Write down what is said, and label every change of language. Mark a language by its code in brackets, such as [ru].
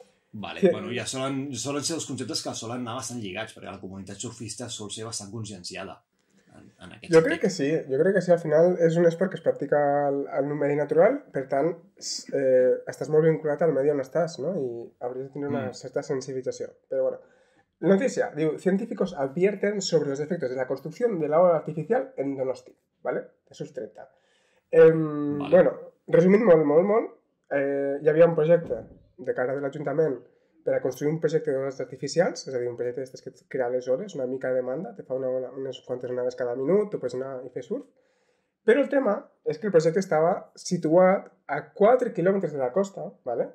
[ca] Vale, bueno, ja solen ser els conceptes que solen anar bastant lligats, perquè la comunitat surfista sol ser bastant conscienciada en aquest sentit. Jo crec que sí, al final és un esport que es practica en un medi natural, per tant, estàs molt vinculat al medi on estàs, no? I hauries de tenir una certa sensibilització, però bueno. Notícia, diu, [es] científicos advierten sobre los efectos de la construcción de la ola artificial en Donosti, ¿vale? Eso es 30. Vale. [ca] Bueno, resumint molt, hi havia un projecte de cara de l'Ajuntament per a construir un projecte d'oles artificials, és a dir, un projecte d'aquestes que crea les oles, una mica de demanda, te fa unes quantes onades cada minut, tu pots anar i fer surf, però el tema és que el projecte estava situat a 4 quilòmetres de la costa, ¿vale?